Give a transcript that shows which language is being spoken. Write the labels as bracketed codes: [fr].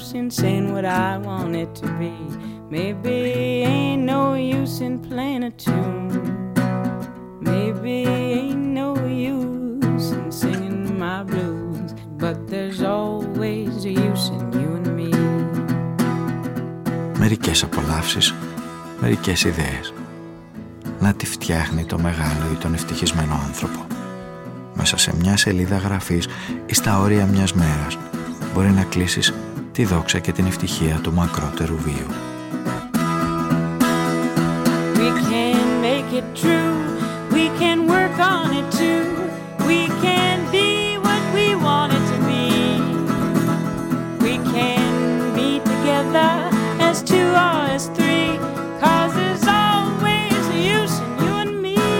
[en] Saying what I want it to be. Maybe ain't no use in playing a tune. Maybe ain't no use in singing my blues. But there's always a use in you and me. [el] Μερικές απολαύσεις, μερικές ιδέες. Να τη φτιάχνει το μεγάλο ή τον ευτυχισμένο άνθρωπο. Μέσα σε μια σελίδα γραφής ή στα όρια μιας μέρας μπορεί να κλείσεις τη δόξα και την ευτυχία του μακρότερου βίου. [en] We can make it true, we can work on it too, we can be what we want it to be. We can be together as two or as three, 'cause there's always a use in you and me.